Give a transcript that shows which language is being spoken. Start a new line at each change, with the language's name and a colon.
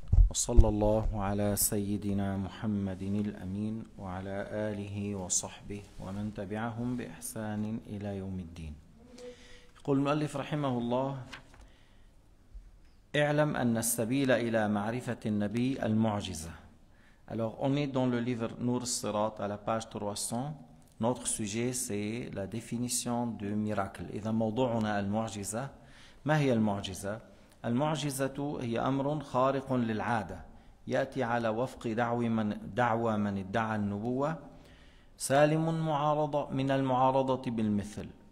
Arabic: وصلى الله على سيدنا محمد الأمين وعلى آله وصحبه ومن تبعهم بإحسان إلى يوم الدين. يقول المؤلف رحمه الله: اعلم أن السبيل إلى معرفة النبي المعجزة.
French: Alors on est dans le livre Nour al-Sirat à la page 300. Notre sujet c'est la définition du miracle.
Arabic: إذا موضوعنا المعجزة. ما هي المعجزة؟ المعجزة هي أمر خارق للعادة يأتي على وفق دعوى من ادعى النبوة سالم معارضة من المعارضة بالمثل.